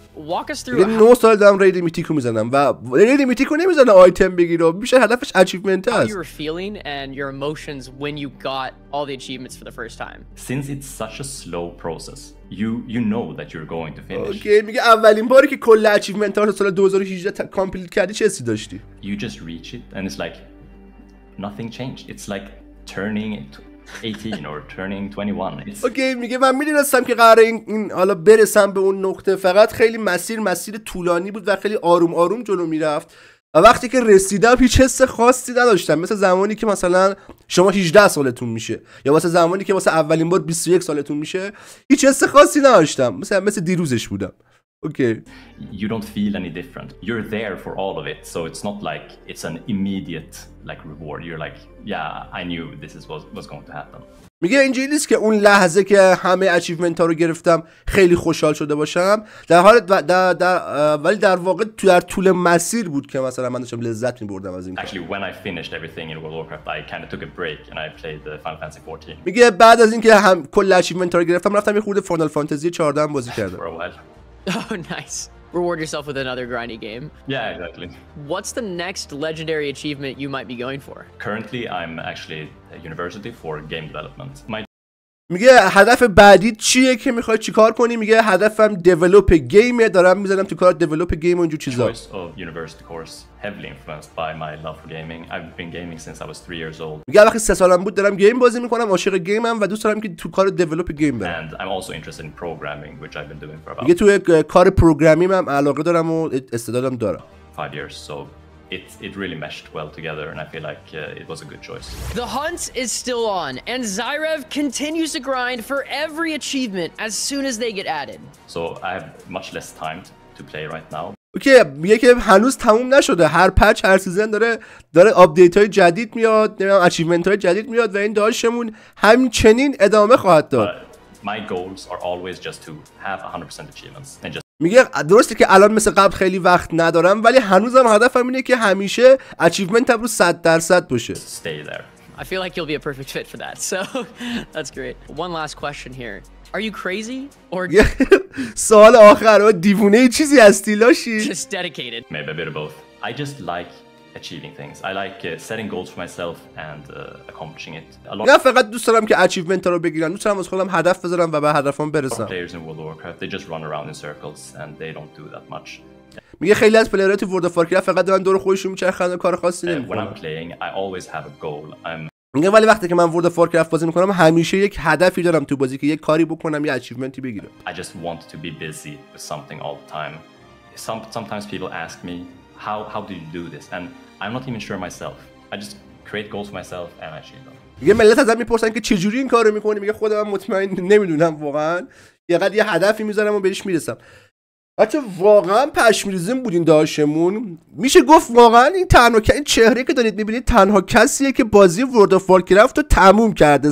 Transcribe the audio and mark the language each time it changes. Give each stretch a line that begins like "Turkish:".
English: Walk us through.
Persian: نو سال دارم رید میتیک رو میزنم و رید میتیک رو نمیزنه آیتم بگیر و میشه هدفش اچیومنت است.
English: How you were feeling and your emotions when you got all the achievements for the first time. Since it's such a slow process, you know that you're going to finish.
Persian: Okay, میگه اولین باری که کل اچیومنت ها رو سال 2018 کامپلیت کردی چه حسی داشتی؟
English: You just reach it and it's like nothing changed. It's like turning it 18 or turning 21.
Persian: اوکی okay, میگه من میدونستم که قراره این حالا برسم به اون نقطه، فقط خیلی مسیر طولانی بود و خیلی آروم آروم جلو میرفت و وقتی که رسیدم هیچ حس خاصی نداشتم، مثل زمانی که مثلا شما 18 سالتون میشه یا مثل زمانی که واسه اولین بار 21 سالتون میشه هیچ حس خاصی نداشتم، مثل دیروزش بودم.
English: Okay. You don't feel any different. You're there for all of it, so it's not like it's an immediate like reward. You're like, yeah, I knew this is what was going to happen.
Persian: میگه اینجوری نیست که اون لحظه که همه اچیومنت ها رو گرفتم خیلی خوشحال شده باشم، در حال ولی در واقع تو در طول مسیر بود که مثلا من داشتم لذت می‌بردم از این.
English: Actually when I finished everything in World of Warcraft I kind of took a break and I played the Final Fantasy 14.
Persian: میگه بعد از اینکه هم کل اچیومنت ها رو گرفتم رفتم یه خورده فاینال فانتزی 14 هم بازی کردم.
English: Oh nice. Reward yourself with another grindy game. Yeah, exactly. What's the next legendary achievement you might be going for? Currently, I'm actually at university for game development.
Persian: میگه هدف بعدی چیه که میخوای چیکار کنی؟ میگه هدفم دیولپ گیم، دارم میذارم تو کار دیولپ گیم و اینجور چیزا.
English: Choice of university course heavily influenced by my love for gaming. I've been gaming since I was 3 years old.
Persian: میگه وقتی 3 سالم بود دارم گیم بازی میکنم، عاشق گیمم و دوست دارم که تو کار دیولپ گیم برم.
English: And I'm also interested in programming which I've been doing for about.
Persian: میگه تو کار پروگرامینگ هم علاقه دارم و استعدادم دارم.
English: 5 years so It really meshed well together and I feel like it was a good choice. The hunt is still on and Zyrev continues to grind for every achievement as soon as they get added. So I have much less time to play right now.
Persian: اوکی میگه که هنوز تموم نشده، هر پچ هر سیزن داره آپدیت های جدید میاد، نمیدونم اچیومنت های جدید میاد و این داشمون همچنین ادامه خواهد داد.
English: My goals are always just to have 100% achievements and just
Persian: میگه درسته که الان مثل قبل خیلی وقت ندارم ولی هنوزم هدفم اینه که همیشه اچیومنتم رو 100% باشه.
English: Stay there. I feel like you'll be a perfect fit for that. So that's great. One last question here. Are you crazy or
Persian: سوال آخر، دیوونه چیزی هستی لاشی؟
English: Just dedicated. Maybe a bit of both. I just like achieving things. I like setting goals for myself and accomplishing it.
Persian: نه فقط دوست دارم که اچیومنت ها رو بگیرم. دوست دارم از خودم هدف بذارم و به هدفم برسم.
English: Players in World of Warcraft, they just run around in circles and they don't do that much.
Persian: میگه خیلی از پلیرها تو World of Warcraft فقط دارن دور خودشون میچرخن و کار خاصی نمی‌کنن.
English: When I'm playing, I always have a goal.
Persian: میگه ولی وقتی که من World of Warcraft بازی میکنم همیشه یک هدفی دارم تو بازی که یک کاری بکنم یا اچیومنتی بگیرم.
English: I just want to be busy with something all the time. Sometimes people ask me how do you do this and I'm not even sure myself. I just create goals for myself and I achieve them.
Persian: یه ملت ازم میپرسن که چجوری این کارو میکنی؟ میگه خودم مطمئن نمیدونم واقعا. یقد یه هدفی میذارم و بهش میرسم. بچه واقعا پشمریزیم بود این داشمون. میشه گفت واقعا این تنها که این چهره که دارید میبینید تنها کسیه که بازی World of Warcraft رو تموم کرده.